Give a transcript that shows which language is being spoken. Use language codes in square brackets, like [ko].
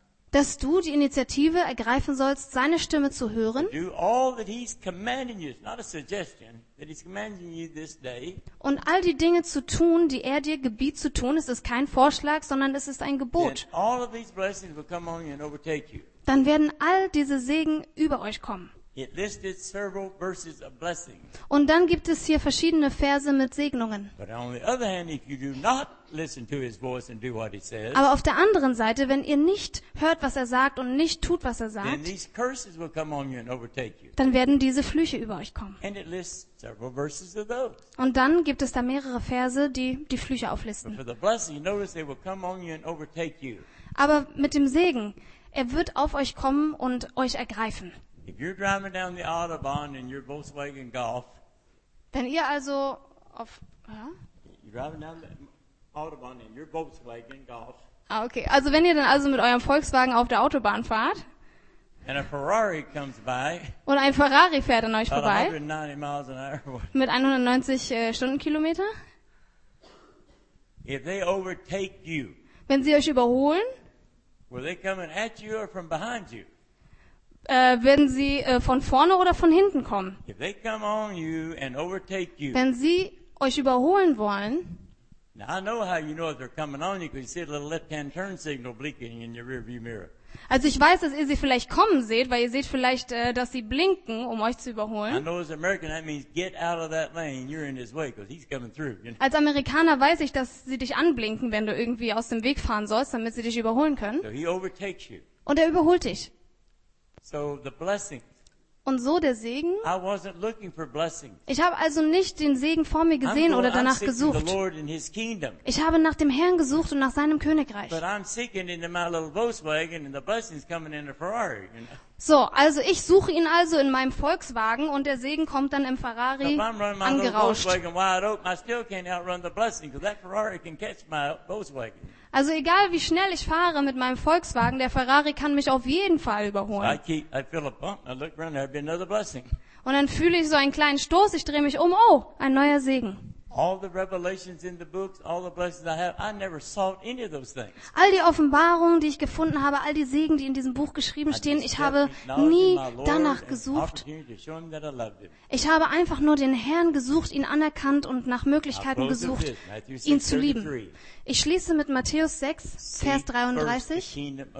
[de] Dass du die Initiative ergreifen sollst, seine Stimme zu hören. [en] Do all that he's commanding you. It's not a suggestion that he's commanding you this day. [de] Und all die Dinge zu tun, die er dir gebiet zu tun, es ist kein Vorschlag, sondern es ist ein Gebot. [en] Then all of these blessings will come on you and overtake you. [de] Dann werden all diese Segen über euch kommen. [en] It listed several verses of blessings. [de] Und dann gibt es hier verschiedene Verse mit Segnungen. [en] But on the other hand, if you do not listen to his voice and do what he says. [de] Aber auf der anderen Seite, wenn ihr nicht hört, was er sagt und nicht tut, was er sagt, [en] then these curses will come on you and overtake you. [de] Dann werden diese Flüche über euch kommen. [en] And it lists several verses of those. [de] Und dann gibt es da mehrere Verse, die die Flüche auflisten. [en] But for the blessing, you notice they will come on you and overtake you. [de] Aber mit dem Segen, er wird auf euch kommen und euch ergreifen. [en] If you're driving down the Autobahn in your Volkswagen Golf, [de] wenn ihr also auf, ja? [en] You're driving down the Autobahn in your Volkswagen Golf. Ah, okay. [de] Also wenn ihr dann also mit eurem Volkswagen auf der Autobahn fahrt, [en] and a Ferrari comes by, [de] und ein Ferrari fährt an euch vorbei, [en] 190 miles an hour, [de] mit 190 Stundenkilometer, [en] if they overtake you, [de] wenn sie euch überholen, [en] were they coming at you or from behind you? [de] Wenn sie von vorne oder von hinten kommen. [en] If they come on you and overtake you, [de] wenn sie euch überholen wollen, [en] Now I know how you know if they're coming on you, because you see a little left-hand turn signal blinking in your rearview mirror. [de] Also ich weiß, dass ihr sie vielleicht kommen seht, weil ihr seht vielleicht, dass sie blinken, um euch zu überholen. Als Amerikaner weiß ich, dass sie dich anblinken, wenn du irgendwie aus dem Weg fahren sollst, damit sie dich überholen können. [en] So he overtakes you. [de] Und er überholt dich. [en] So the blessing. [de] Und so der Segen. [en] I wasn't looking for blessings. [de] Ich habe also nicht den Segen vor mir gesehen [en] I'm [de] oder danach gesucht. [en] The Lord in his kingdom. [de] Ich habe nach dem Herrn gesucht und nach seinem Königreich. [en] But I'm seeking into my little Volkswagen and the blessings coming in the Ferrari. You know? [de] So, also ich suche ihn also in meinem Volkswagen und der Segen kommt dann im Ferrari angerauscht. Also egal wie schnell ich fahre mit meinem Volkswagen, der Ferrari kann mich auf jeden Fall überholen. Und dann fühle ich so einen kleinen Stoß, ich drehe mich um, oh, ein neuer Segen. [en] All the revelations in the books, all the blessings I have, I never sought any of those things. [de] All die Offenbarungen, die ich gefunden habe, all die Segen, die in diesem Buch geschrieben stehen, ich habe nie danach gesucht. Ich habe einfach nur den Herrn gesucht, ihn anerkannt und nach Möglichkeiten gesucht, ihn zu lieben. Ich schließe mit Matthäus 6, Vers 33.